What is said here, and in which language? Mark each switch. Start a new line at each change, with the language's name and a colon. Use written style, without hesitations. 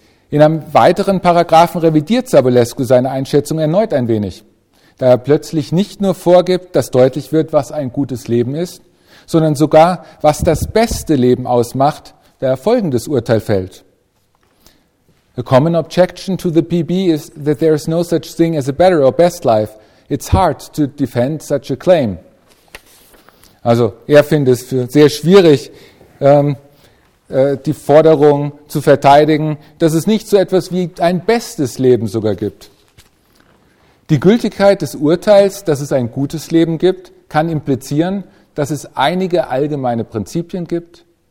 German: In einem weiteren Paragraphen revidiert Savulescu seine Einschätzung erneut ein wenig, da er plötzlich nicht nur vorgibt, dass deutlich wird, was ein gutes Leben ist, sondern sogar, was das beste Leben ausmacht, da er folgendes Urteil fällt.
English: A common objection to the PB is that there is no such thing as a better or best life. It's hard to defend such a claim.
German: Also er findet es für sehr schwierig, die Forderung zu verteidigen, dass es nicht so etwas wie ein bestes Leben sogar gibt. Die Gültigkeit des Urteils, dass es ein gutes Leben gibt, kann implizieren, dass es einige allgemeine Prinzipien gibt,